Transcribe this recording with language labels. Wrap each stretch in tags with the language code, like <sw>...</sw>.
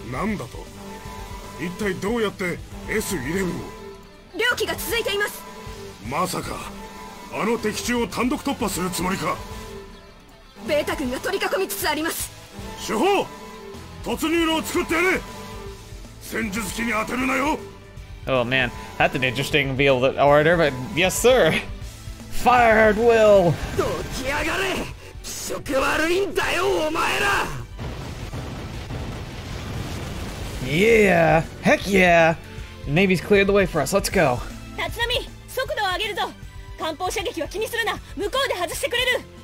<ja>なんだと。一体どうやって S11 を。漁期が続いています。まさかあの敵中を単独突破するつもりか。ベータ軍が取り囲みつつあります。主砲、突入路を作ってやれ。戦術機に当てるなよ。</ja> <en>Oh man, that's an interesting build order, but yes sir. Fire at will.</en> <ja>どきやがれ。気色悪いんだよお前ら。</ja> <en>Yeah, heck yeah. Navy's cleared the way for us. Let's go.</en> <ja>Tatsunami, 速度を上げるぞ! 艦砲射撃は気にするな!向こうで外してくれる!</ja>